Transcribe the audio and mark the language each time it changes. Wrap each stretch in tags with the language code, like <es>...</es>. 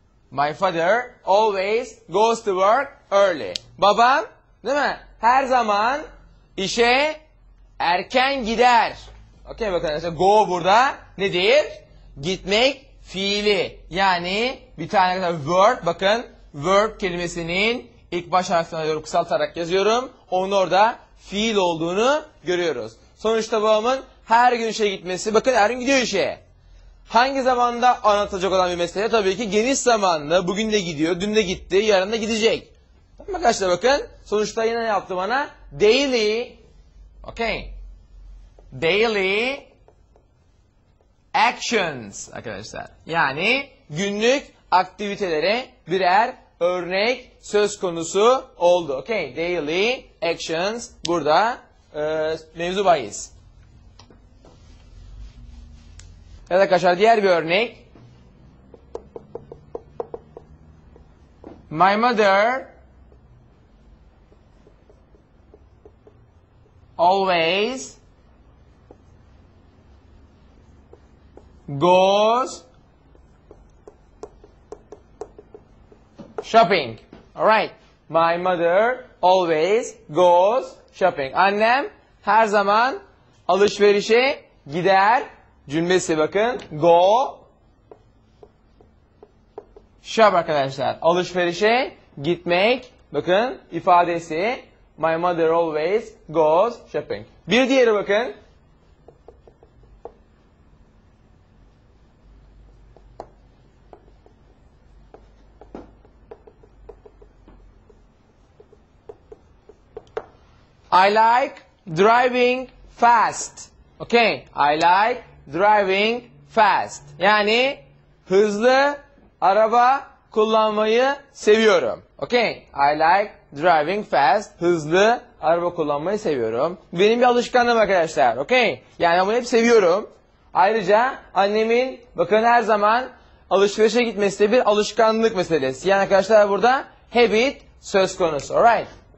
<en>My father always goes to work early.</en> <tr>Babam, değil mi? Her zaman işe erken gider. Okey bakın, işte go burada nedir? Gitmek fiili. Yani bir tane kadar verb, bakın verb kelimesinin ilk baş harfini alıyorum, kısaltarak yazıyorum. Onun orada fiil olduğunu görüyoruz. Sonuçta babamın her gün işe gitmesi, bakın her gün gidiyor işe. Hangi zamanda anlatacak olan bir mesele? Tabii ki geniş zamanlı. Bugün de gidiyor, dün de gitti, yarın da gidecek. Tamam arkadaşlar bakın. Sonuçta yine yaptı bana. Daily. Okay.</tr> <en>Daily actions</en> <tr>arkadaşlar. Yani günlük aktivitelere birer örnek söz konusu oldu. Okay.</tr> <en>Daily actions.</en> <tr>Burada mevzu bahis. Evet arkadaşlar, diğer bir örnek.</tr> <en>My mother always goes shopping. All right. My mother always goes shopping.</en> <tr>Annem her zaman alışverişe gider. Cümlesi bakın.</tr> <en>Go shop</en> <tr>arkadaşlar. Alışverişe gitmek. Bakın ifadesi.</tr> <en>My mother always goes shopping.</en> <tr>Bir diğeri bakın.</tr> <en>I like driving fast. Okay. I like driving fast.</en> <tr>Yani hızlı araba kullanmayı seviyorum.</tr> <en>Okay. I like driving fast.</en> <tr>Hızlı araba kullanmayı seviyorum. Benim bir alışkanlığım arkadaşlar. Okay. Yani bunu hep seviyorum. Ayrıca annemin bakın her zaman alışverişe gitmesi de bir alışkanlık meselesi. Yani arkadaşlar burada habit söz konusu. Alright.</tr>